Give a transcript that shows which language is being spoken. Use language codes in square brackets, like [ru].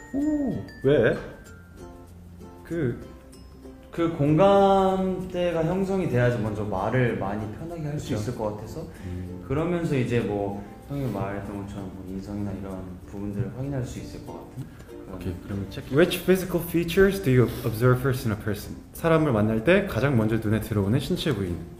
[ko] 오, 왜? 그 공감대가 형성이 돼야지 먼저 말을 많이 편하게 할 수 있을 것 같아서 그러면서 이제 뭐 형이 말했던 것처럼 뭐 인성이나 이런 부분들을 확인할 수 있을 것 같은. 오케이, 그러면 check. [en] Which physical features do you observe first in a person? [ko] 사람을 만날 때 가장 먼저 눈에 들어오는 신체 부위.